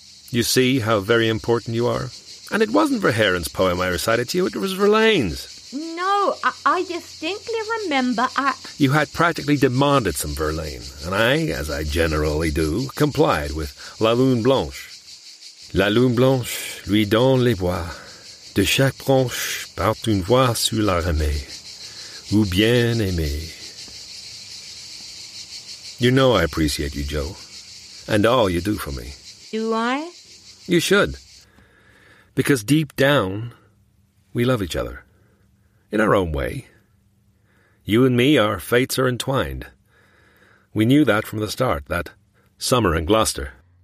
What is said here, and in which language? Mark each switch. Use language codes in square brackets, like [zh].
[en] You see how very important you are? And it wasn't for Heron's poem I recited to you, it was for Lane's. No, I distinctly remember I... You had practically demanded some Verlaine, and I, as I generally do, complied with La Lune Blanche. [fr] La Lune Blanche lui donne les bois, de chaque branche part une voix sur la ramée, ou bien aimée. [en] You know I appreciate you, Joe, and all you do for me. Do I? You should, because deep down, we love each other. In our own way. You and me, our fates are entwined. We knew that from the start, that summer in Gloucester.